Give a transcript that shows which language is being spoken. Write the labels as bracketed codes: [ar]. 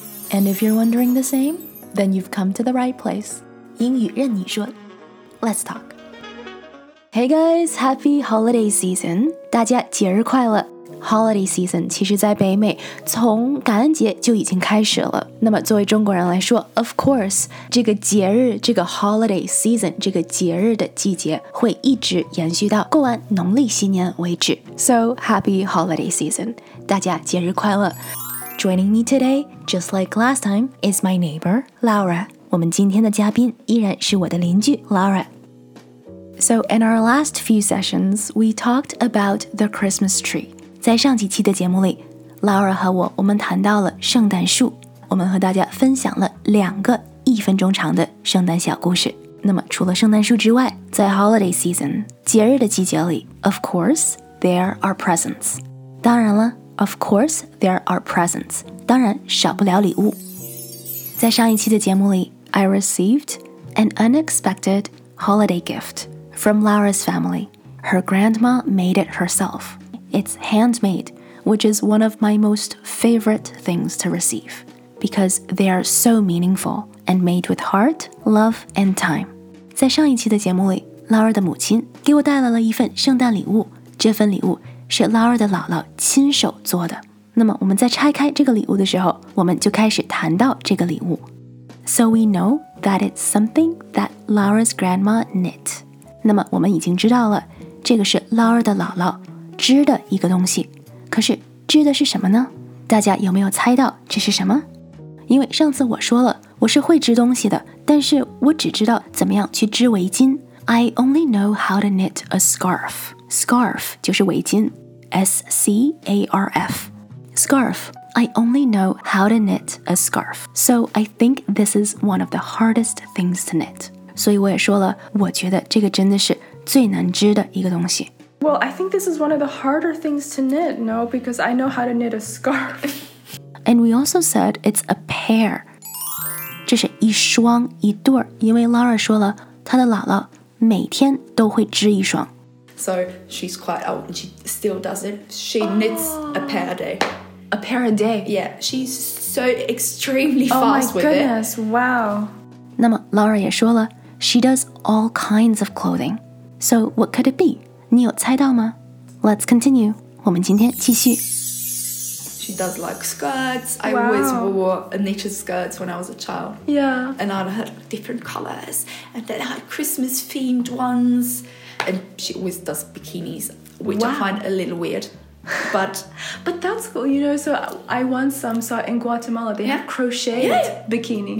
[en] And if you're wondering the same, then you've come to the right place. [zh] 英语任你说。 [en] Let's talk. Hey guys, happy holiday season. [zh] 大家节日快乐。 Holiday season 其实在北美从感恩节就已经开始了，那么作为中国人来说 [en] of course [zh] 这个节日，这个 holiday season 这个节日的季节会一直延续到过完农历新年为止。 [en] So happy holiday season， [zh] 大家节日快乐。 [en] Joining me today just like last time is my neighbor Laura， [zh] 我们今天的嘉宾依然是我的邻居 Laura。 [en] So in our last few sessions we talked about the Christmas tree。 [zh] 在上几期的节目里 ，Laura 和我们谈到了圣诞树，我们和大家分享了两个一分钟长的圣诞小故事。那么，除了圣诞树之外，在 holiday season 节日的季节里 ， [en] of course there are presents。 [zh] 当然了 [en] ，of course there are presents。 [zh] 当然少不了礼物。在上一期的节目里 [en] ，I received an unexpected holiday gift from Laura's family. Her grandma made it herself. It's handmade, which is one of my most favorite things to receive, because they are so meaningful and made with heart, love, and time. [zh] 在上一期的节目里 ，Laura 的母亲给我带来了一份圣诞礼物。这份礼物是 Laura 的姥姥亲手做的。那么我们在拆开这个礼物的时候，我们就开始谈到这个礼物。 So we know that it's something that Laura's grandma knit. 那么我们已经知道了，这个是 Laura 的姥姥。织的一个东西，可是织的是什么呢？大家有没有猜到这是什么？因为上次我说了，我是会织东西的，但是我只知道怎么样去织围巾。 [en] I only know how to knit a scarf. Scarf 就是围巾 ，S-C-A-R-F. Scarf. I only know how to knit a scarf. So I think this is one of the hardest things to knit. [zh] 所以我也说了，我觉得这个真的是最难织的一个东西。 [en] Well, I think this is one of the harder things to knit, no? Because I know how to knit a scarf. And we also said it's a pair. [zh] 这是一双一对儿，因为 Laura 说了她的姥姥每天都会织一双。 [en] So she's quite old and she still does it. She knits a pair a day. A pair a day? Yeah, she's so extremely fast with it. Oh my goodness, wow. [zh] 那么 Laura 也说了 [en] she does all kinds of clothing. So what could it be? [zh] 你有猜到吗 ？ [en] Let's continue. [zh] 我们今天继续。 [en] She does like skirts. I always wore knitted skirts when I was a child. Yeah. And I'd had different colors, and then I had Christmas themed ones. And she always does bikinis, which I find a little weird. But but that's cool, you know. So I once saw in Guatemala they have crocheted bikinis.